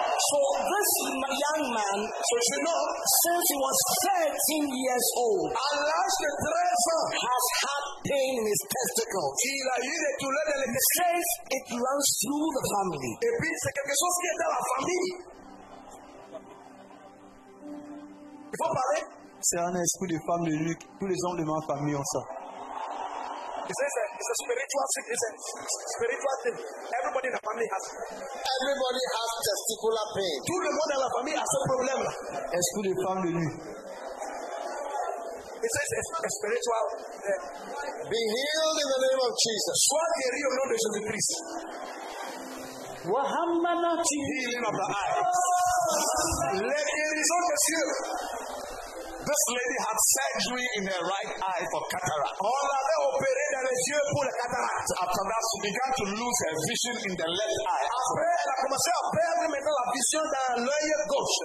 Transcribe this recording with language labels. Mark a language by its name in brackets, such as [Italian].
[English] So this young man, since he was 13 years old, [French] à l'âge de 13 ans, [English] has had pain in his testicles. [French] Il a eu des douleurs dans les testicles. [English] He says it runs through the family. [French] Et puis c'est quelque chose qui est dans la famille. Il faut parler. C'est un esprit de femme de Luc. Tous les hommes de ma famille ont ça. [English] It's a spiritual thing. Everybody in the family has. Everybody has testicular pain. [French] Tout le monde dans la famille a ce problème. Esprit de femme de Luc. [English] It says it's a spiritual. Be healed in the name of Jesus. [French] Sois guéri au nom de Jésus Christ. [English] Healing of the eyes. [French] Les guérisons de Dieu. [English] This lady had surgery in her right eye for cataract. [French] On l'avait opéré dans les yeux pour la cataracte. [English] After that, she began to lose her vision in the left eye. [French] Après, elle a commencé à perdre maintenant la vision dans l'œil gauche.